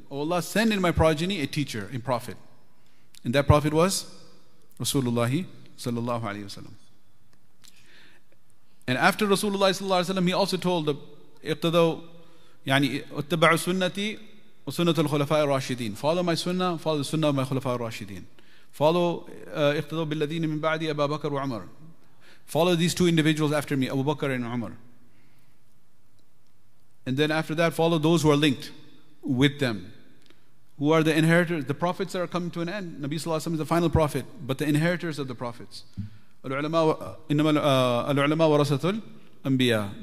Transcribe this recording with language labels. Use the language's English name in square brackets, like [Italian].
[English] Oh Allah, send in my progeny a teacher, a prophet. And that prophet was Rasulullah sallallahu alayhi wa sallam. And after Rasulullah sallallahu alayhi wa sallam, he also told the [Arabic] اقتدوا يعني اتبعوا سنتي وسنة الخلفاء الراشدين. [English] Follow my sunnah, follow the sunnah of my خلفاء الراشدين. Follow [Arabic] اقتدوا بالذين من بعدي أبا بكر وعمر. [English] Follow these two individuals after me, Abu Bakr and Umar. And then after that, follow those who are linked with them. Who are the inheritors? The prophets that are coming to an end. Nabi Sallallahu Alaihi Wasallam is the final prophet, but the inheritors of the prophets. [Arabic] Al-ulama warasatul anbiya.